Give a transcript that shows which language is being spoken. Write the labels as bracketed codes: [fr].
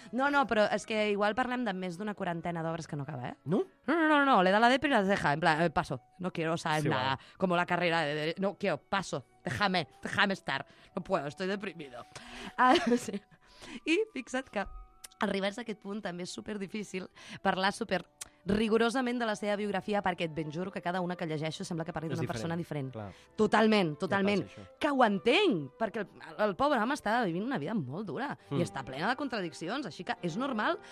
[ca] No, però és que igual parlem de més d'una quarantena d'obres que no acaba, eh? No? [es] No, le da la depre i las deja. En plan, paso, no quiero saber sí, nada. Va. Como la carrera de... No quiero, paso, déjame estar. No puedo, estoy deprimido. Sí. [ca] I fixa't que arribar-se a aquest punt també és superdifícil parlar super... rigorosament de la seva biografia, perquè et ben juro que cada una que llegeixo sembla que parli d'una persona diferent. Clar. Totalment. Ja que ho entenc, perquè el pobre home està vivint una vida molt dura i està plena de contradiccions, així que és normal.